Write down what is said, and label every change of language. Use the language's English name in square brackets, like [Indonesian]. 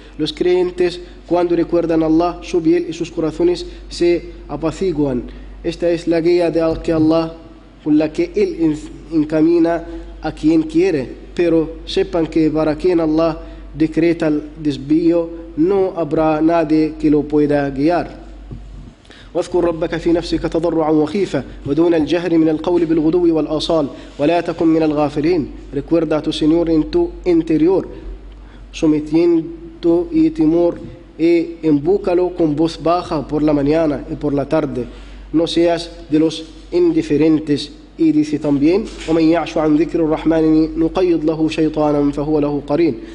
[Spanish] Los creyentes, cuando recuerdan a Allah, su piel y sus corazones se apaciguan. Esta es la guía de Allah con la que Él encamina a quien quiere. Pero sepan que para quien Allah decreta el desvío, no habrá nadie que lo pueda guiar. [Arabic] واذكر ربك في نفسك تضرعا وخيفة ودون الجهر من القول بالغدو والأصال ولا تكن من الغافلين. [Spanish] Recuerda a tu Señor en tu interior, sometiendo y temor, e invócalo con voz baja por la mañana y por la tarde. No seas de los indiferentes. Y dice también: [Arabic] ومن يعش عن ذكر الرحمن نقيض له شيطانا فهو له قرين.